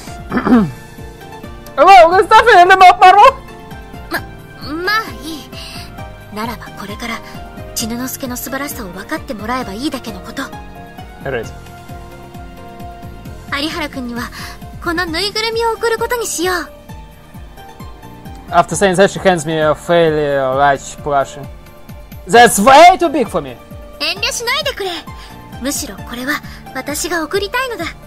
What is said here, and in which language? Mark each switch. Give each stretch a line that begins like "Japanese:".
English: Well, there's nothing in the map, Marvel.
Japanese: まあいい。ならばこれから千之助の素晴らしさを分かってもらえばいいだけのこと。
English: Alright.
Japanese: 有原くんにはこのぬいぐるみを送ることにしよう。
English: After saying that, she hands me a fairly large plush. That's way too big for me.
Japanese: 遠慮しないでくれ。むしろこれは私が送りたいのだ。